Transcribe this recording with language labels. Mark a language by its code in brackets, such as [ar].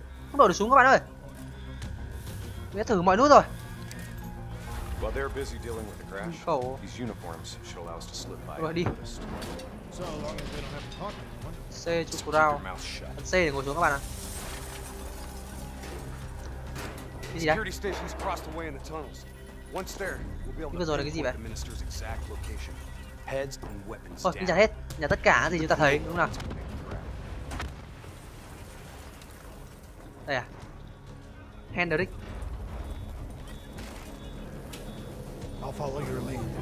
[vi] Không đổi được súng các bạn ơi. Mình đã thử mọi nút rồi. [en] While they're busy dealing with the crash, these uniforms should allow us to slip by. [vi] Rồi đi. C chụp cú đao. Ấn C để ngồi xuống các bạn ạ. Cái gì đấy? [en] Security stations across the way in the tunnels. Once there, we'll be able to pinpoint the minister's exact location. Heads and weapons. [vi] Ôi, nhặt hết, nhặt tất cả gì chúng ta thấy, đúng không nào? Đây à? Hendrik. [en] I'll follow your lead.